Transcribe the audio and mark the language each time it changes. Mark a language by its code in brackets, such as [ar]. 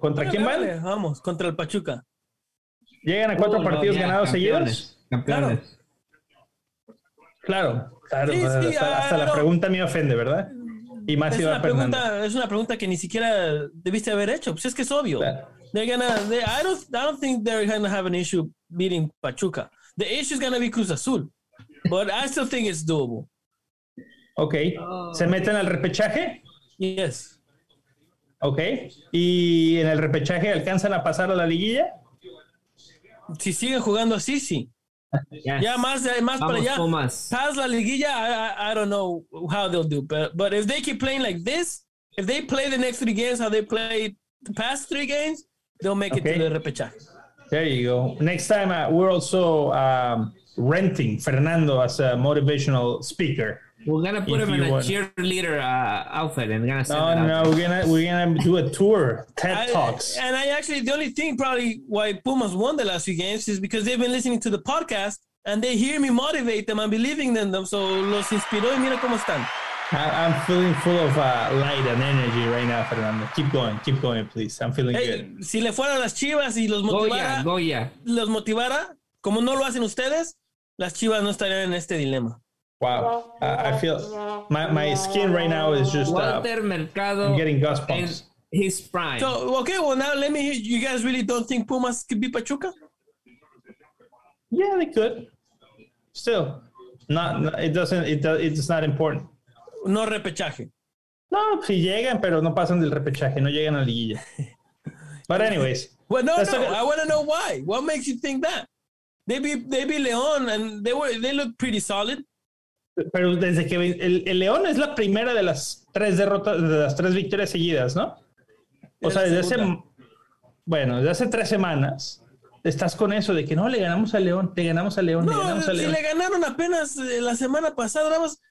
[es] ¿Contra quién van? Vamos, contra el Pachuca. Llegan a cuatro partidos ganados seguidos. Campeones. Claro. Sí, hasta la pregunta me ofende, ¿verdad? Y más iba Fernando. Es una pregunta que ni siquiera debiste haber hecho. Pues es que es obvio. Claro. [en] I don't think they're gonna have an issue beating Pachuca. The issue is gonna be Cruz Azul. But I still think it's doable. [es] Okay. ¿Se meten al repechaje? [en] Yes. Okay. [es] ¿Y en el repechaje alcanzan a pasar a la liguilla? Si siguen jugando así, sí. Yes. Ya más para allá. Pumas. [en] Pas la liguilla, I don't know how they'll do. But if they keep playing like this, if they play the next three games how they played the past three games, they'll make it to the repechaje. There you go. Next time, we're also renting Fernando as a motivational speaker. We're going to put him in a cheerleader outfit. And we're gonna do a tour, TED Talks. And I actually, the only thing probably why Pumas won the last few games is because they've been listening to the podcast and they hear me motivate them and believing in them. [es] So los inspiró y mira cómo están. [en] I'm feeling full of light and energy right now, Fernando. Keep going, please. I'm feeling good. [es] Si le fueran las Chivas y los motivara, Goya. Los motivara, como no lo hacen ustedes, las Chivas no estarían en este dilema. [en] Wow. I feel my skin right now is just Walter Mercado. I'm getting goosebumps. His prime. So, okay, well, now let me hear. You guys really don't think Pumas could be Pachuca? Yeah, they could. Still, it's not important. [es] No repechaje. No, si llegan, pero no pasan del repechaje, no llegan a la liguilla. [en] But anyways. Well, I want to know why. What makes you think that? They be León, and they look pretty solid. [es] Pero desde que el León es la primera de las tres derrotas, de las tres victorias seguidas, ¿no? O sea, desde hace 3 semanas, estás con eso de que no, le ganamos a León. No, si le ganaron apenas la semana pasada, nada más.